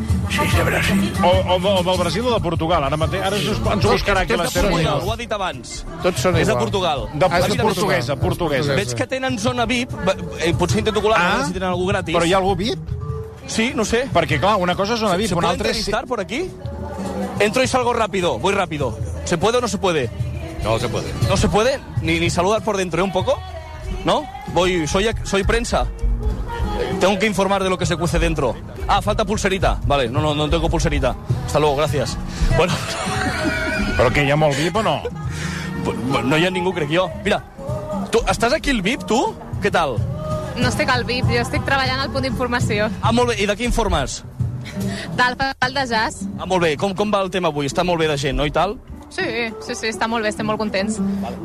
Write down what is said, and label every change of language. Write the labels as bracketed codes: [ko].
[ca] Sí, de Brasil. O del Brasil o de Portugal, ara mateix. Ara ens buscarà aquí l'Ester. Ho ha dit abans. Tots són igual. És de Portugal. És portuguesa. Veig que tenen zona VIP. Potser intento colar, si tenen algú gratis. Però hi ha algú VIP? Sí, no sé. Perquè, clar, una cosa és zona VIP, una altra... [es] ¿Se puede entrevistar por aquí? Entro y salgo rápido, voy rápido. ¿Se puede o no se puede? No se puede. ¿No se puede? Ni saludar por dentro, ¿eh? Un poco. ¿No? Soy prensa. Tengo que informar de lo que se cuece dentro. Ah, falta pulserita. Vale, no tengo pulserita. Hasta luego, gracias. Bueno. [ca] ¿Pero que hi ha molt VIP o no? No hi ha ningú, crec jo. Mira, tu, estàs aquí al VIP, tu? Què tal? No estic al VIP, jo estic treballant al punt d'informació. Ah, molt bé. I de qui informes? Del festival de jazz. Ah, molt bé. Com va el tema avui? Està molt bé de gent, no? I tal? Sí, està molt bé, estem molt contents. Vale.